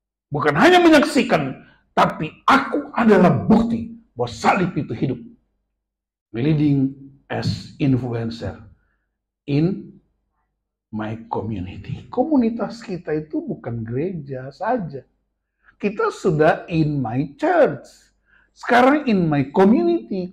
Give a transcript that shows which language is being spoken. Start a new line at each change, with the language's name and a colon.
Indonesian: Bukan hanya menyaksikan, tapi aku adalah bukti bahwa salib itu hidup.
English: Leading as influencer in my community.
Indonesian: Komunitas kita itu bukan gereja saja. Kita sudah
English: in my church.
Indonesian: Sekarang
English: in my community.